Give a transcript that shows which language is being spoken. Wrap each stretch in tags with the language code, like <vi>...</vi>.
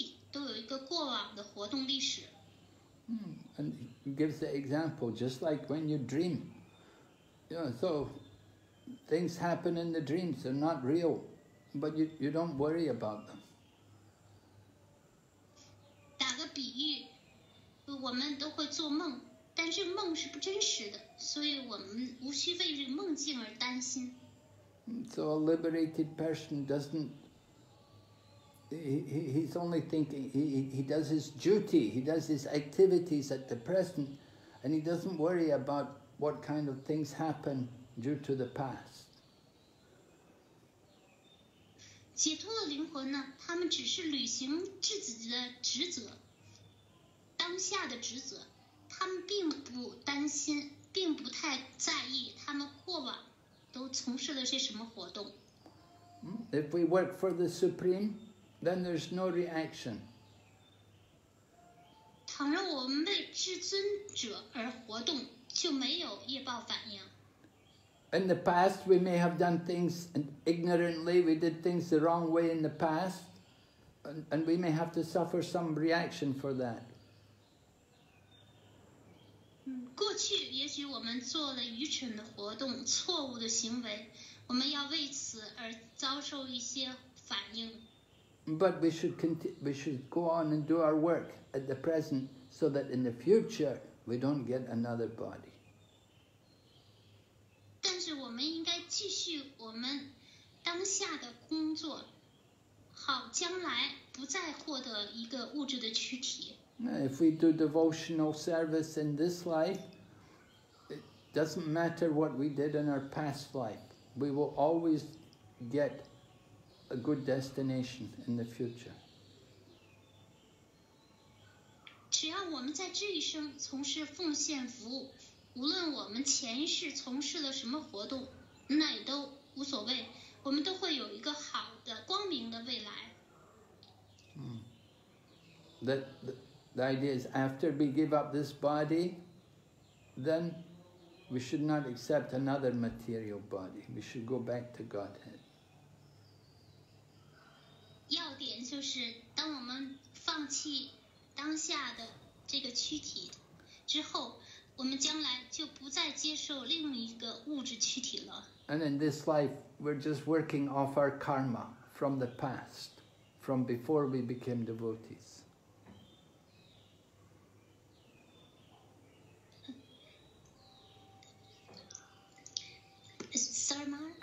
<en>So, even the liberated souls, they don't resent that, and gives the example, just like when you dream. Yeah, so things happen in the dreams, they're not real, but you don't worry about them.</en> <zh>打个比喻，我们都会做梦，但是梦是不真实的，所以我们无需为这个梦境而担心。</zh> <en>So a liberated person doesn't, he's only thinking, he does his duty, he does his activities at the present, and he doesn't worry about what kind of things happen due to the past.</en> <zh>解脱的灵魂呢，他们只是履行自己的职责，当下的职责，他们并不担心，并不太在意他们过往都从事了些什么活动。</zh> <en>If we work for the Supreme, then there's no reaction.</en> <zh>倘若我们为至尊者而活动，就没有业报反应。</zh> <en>In the past, we may have done things ignorantly, we did things the wrong way in the past, and we may have to suffer some reaction for that.</en> <zh>过去也许我们做了愚蠢的活动，错误的行为，我们要为此而遭受一些反应。</zh> <en>But we should go on and do our work at the present so that in the future we don't get another body.</en> <zh>但是我们应该继续我们当下的工作，好将来不再获得一个物质的躯体。</zh> <en>If we do devotional service in this life, it doesn't matter what we did in our past life. We will always get a good destination in the future.</en> <zh>只要我们在这一生从事奉献服务，无论我们前一世从事了什么活动，那也都无所谓，我们都会有一个好的光明的未来。</zh> <en>The idea is after we give up this body, then we should not accept another material body. We should go back to Godhead.</en> <zh>要点就是当我们放弃当下的这个躯体之后，我们将来就不再接受另一个物质躯体了。</zh> <en>And in this life, we're just working off our karma from the past, from before we became devotees. 、</en>